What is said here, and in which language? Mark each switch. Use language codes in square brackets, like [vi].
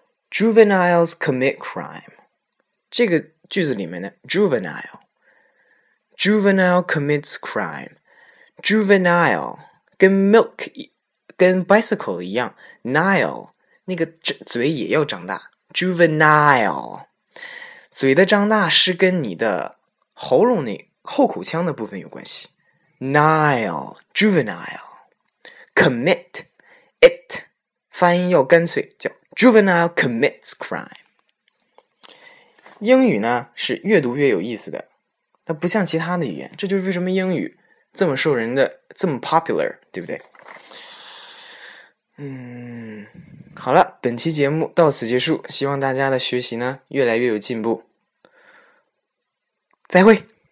[en] juveniles commit crime， [zh] 这个句子里面的 [en] juvenile commits crime， [zh] juvenile 跟 milk 跟 bicycle 一样， nile 那个嘴也要长大， juvenile嘴的张大是跟你的喉咙那后口腔的部分有关系。 [en] Nile, juvenile, commit, it, [zh] 发音要干脆，叫 [en] juvenile commits crime。 [zh] 英语呢是越读越有意思的，它不像其他的语言，这就是为什么英语这么受人的这么 popular， 对不对？嗯，好了，本期节目到此结束，希望大家的学习呢越来越有进步。再会。